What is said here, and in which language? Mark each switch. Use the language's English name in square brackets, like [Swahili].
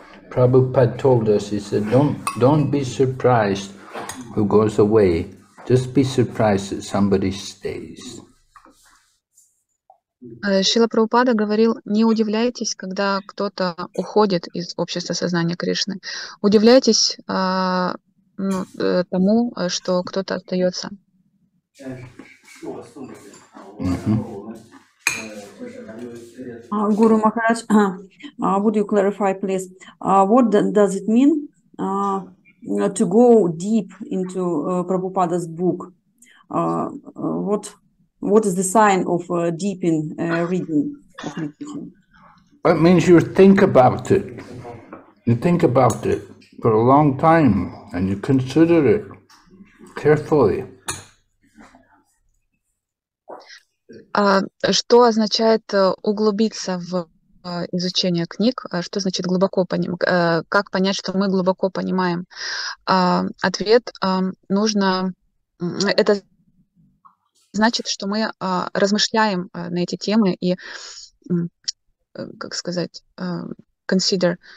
[English] Prabhupada told us, he said, don't be surprised who goes away. Just be surprised that somebody stays. [Russian] Шрила Прабхупада говорил, не удивляйтесь, когда кто-то уходит из общества сознания Кришны. Удивляйтесь тому, что кто-то остается. [English] Guru Maharaj, would you clarify, please? What does it mean to go deep into Prabhupada's book? What is the sign of deep in reading of meditation? It means you think about it. You think about it for a long time, and you consider it carefully. [Russian] Что означает углубиться в изучение книг? Что значит глубоко понимать? Как понять, что мы глубоко понимаем? Ответ нужно... Это значит, что мы размышляем на эти темы и, как сказать, consider.